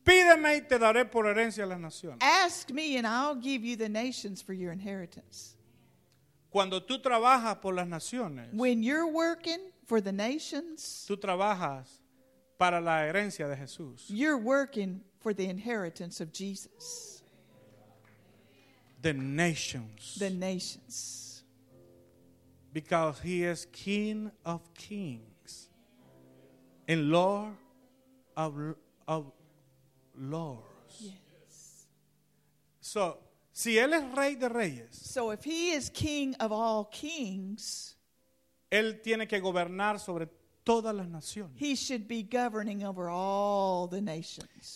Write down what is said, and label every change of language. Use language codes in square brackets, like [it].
[es] pídeme y te daré por herencia las naciones. [en] Ask me and I'll give you the nations for your inheritance. [es] Cuando tú trabajas por las naciones, [en] when you're working for the nations, [es] tú trabajas para la herencia de Jesús. [en] You're working for the inheritance of Jesus. The nations. The nations. Because He is King of Kings. And Lord of Lords. Yes. [es] So, si Él es Rey de Reyes. [en] So, if He is King of all kings. [es] Él tiene que gobernar sobre todas las naciones. [en] He should be governing over all the nations.